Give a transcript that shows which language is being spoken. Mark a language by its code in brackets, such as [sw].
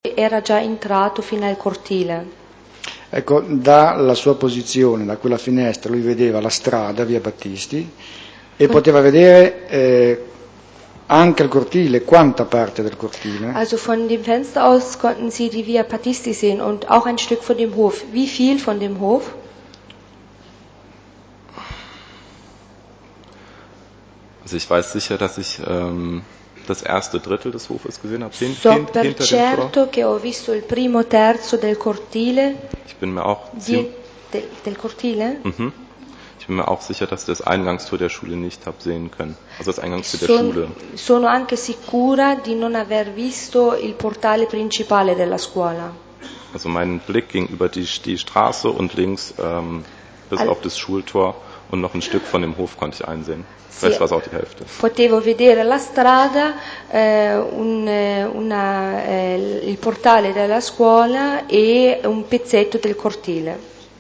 [it] era già entrato fino al cortile. Ecco, dalla sua posizione, da quella finestra, lui vedeva la strada via Battisti e poteva vedere anche il cortile, quanta parte del cortile. [de] Also von dem Fenster aus konnten Sie die via Battisti sehen und auch ein Stück von dem Hof. Wie viel von dem Hof? Also ich weiß sicher, dass ich das erste Drittel des Hofes gesehen habe, hinter dem Tor. [it] So per certo che ho visto il primo terzo del cortile. [de] Ich bin mir auch [it] del cortile. [de] Ich bin mir auch sicher, dass ich das Eingangstor der Schule nicht habe sehen können. Also das Eingangstor der Schule. [it] Sono anche sicura di non aver visto il portale principale della scuola. [de] Also mein Blick ging über die Straße und links bis auf das Schultor. Und noch ein Stück von dem Hof konnte ich einsehen. Vielleicht war es auch die Hälfte. [it] Potevo vedere la strada, il portale della scuola e un pezzetto del cortile.